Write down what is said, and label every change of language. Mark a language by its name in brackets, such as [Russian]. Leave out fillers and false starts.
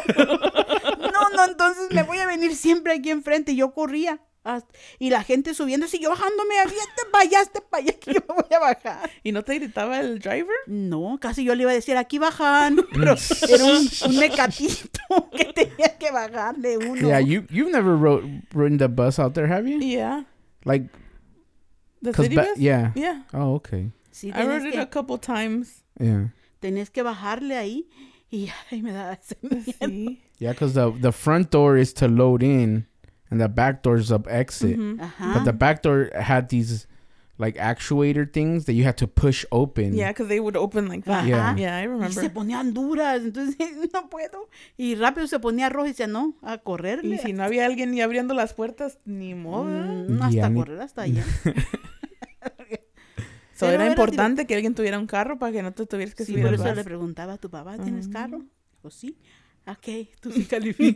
[Spanish] No, no, entonces me voy a venir siempre aquí enfrente. Y yo corría. Hasta, y la gente subiendo, así yo bajándome, aviente para allá, este para allá, que yo me voy a bajar. ¿Y no te gritaba el driver? No, casi yo le iba a decir, aquí bajan, pero era un mecatito que tenía que bajar de uno. [English] Yeah, you've never ridden the bus out there, have you? Yeah. Like, the city bus? Yeah. Yeah. Oh, okay. Sí, I rode it a couple times. Yeah. [Spanish] Tenés que bajarle ahí, y ahí me daba ese miedo. [English] Sí. Yeah, because the front door is to load in. And the back door is up exit. Mm-hmm. Uh-huh. But the back door had these, like, actuator things that you had to push open. Yeah, because they would open like that. Uh-huh. Yeah, I remember. [Spanish] Y se ponían duras. Entonces, no puedo. Y rápido se ponía rojo y decía, no, a correrle. Y si no había alguien ni abriendo las puertas, ni modo. Correr hasta allá. So, era importante que alguien tuviera un carro para que no te tuvieras que subir. Sí, por eso vas. Le preguntaba a tu papá, ¿tienes carro? O sí. Ok, tú sí calificas.